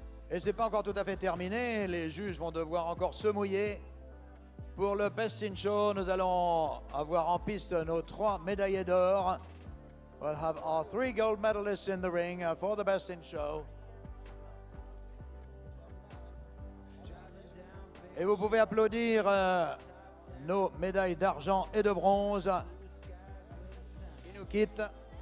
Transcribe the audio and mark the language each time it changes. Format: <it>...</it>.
<fr>Et ce n'est pas encore tout à fait terminé. Les juges vont devoir encore se mouiller. Pour le Best in Show, nous allons avoir en piste nos trois médaillés d'or.</fr> <en>We'll have our three gold medalists in the ring for the Best in Show.</en> <fr>Et vous pouvez applaudir nos médailles d'argent et de bronze qui nous quittent.</fr>